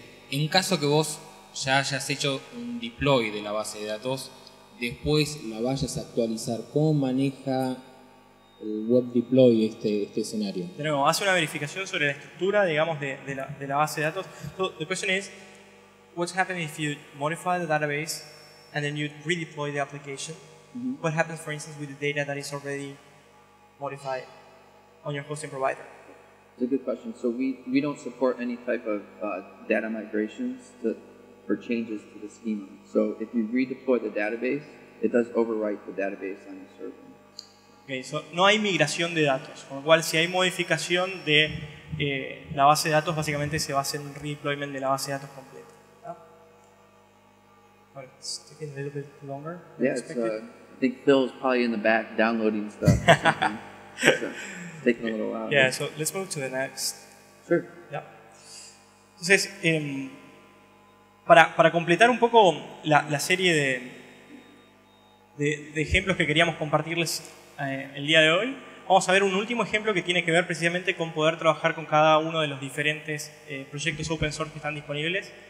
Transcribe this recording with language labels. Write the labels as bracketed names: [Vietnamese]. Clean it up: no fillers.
[Spanish] En caso que vos ya hayas hecho un deploy de la base de datos, después la vayas a actualizar, ¿cómo maneja el web deploy este escenario? De nuevo, hace una verificación sobre la estructura, digamos, de la base de datos. [English] So, the question is, what happens if you modify the database and then you redeploy the application? Mm-hmm. What happens, for instance, with the data that is already modified on your hosting provider? It's a good question. So we don't support any type of data migrations or changes to the schema. So if you redeploy the database, it does overwrite the database on the server. [Spanish] Okay, so no hay migración de datos, con lo cual si hay modificación de la base de datos, básicamente se va a hacer un redeployment de la base de datos completa. [English] All right, it's taking a little bit longer. Yeah, I think Phil's probably in the back downloading stuff. It's taking a little while. Yeah, so let's move to the next. Sure. Yeah. [Spanish] Entonces, para completar un poco la serie de ejemplos que queríamos compartirles el día de hoy, vamos a ver un último ejemplo que tiene que ver precisamente con poder trabajar con cada uno de los diferentes proyectos open source que están disponibles.